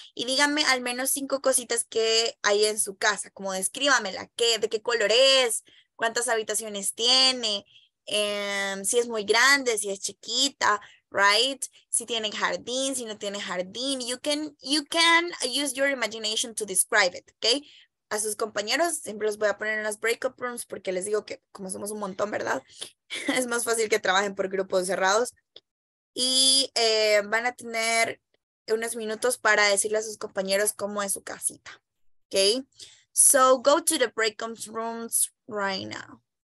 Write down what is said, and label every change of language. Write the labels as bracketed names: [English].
[Spanish] Y díganme al menos 5 cositas que hay en su casa. Como descríbamela. ¿De qué color es? ¿Cuántas habitaciones tiene? Si es muy grande, si es chiquita, right? Si tiene jardín, si no tiene jardín. [English] You can use your imagination to describe it, okay? [Spanish] A sus compañeros, siempre los voy a poner en las breakout rooms porque les digo que como somos un montón, ¿verdad? Es más fácil que trabajen por grupos cerrados. Y van a tener unos minutos para decirle a sus compañeros cómo es su casita. [English] Okay? So go to the breakout rooms right now.